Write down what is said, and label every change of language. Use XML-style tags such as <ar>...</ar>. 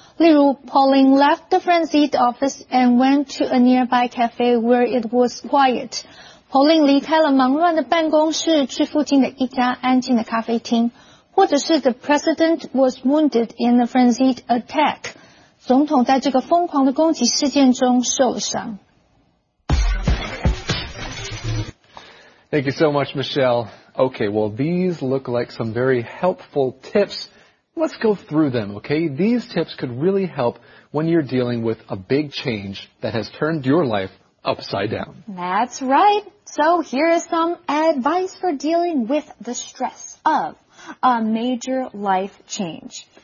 <zh>例如</zh> <en>Pauline left the frenzied office and went to a nearby cafe where it was quiet.</en> <zh>Pauline 离开了忙乱的办公室去附近的一家安静的咖啡厅。或者是</zh> <en>The president was wounded in a frenzied attack.</en> <zh>总统在这个疯狂的攻击事件中受伤。</zh> <en>Thank you so much, Michelle. Okay, well, these look like some very helpful tips. Let's go through them, okay? These tips could really help when you're dealing with a big change that has turned your life upside down. That's right. So here is some advice for dealing with the stress of a major life change.</en>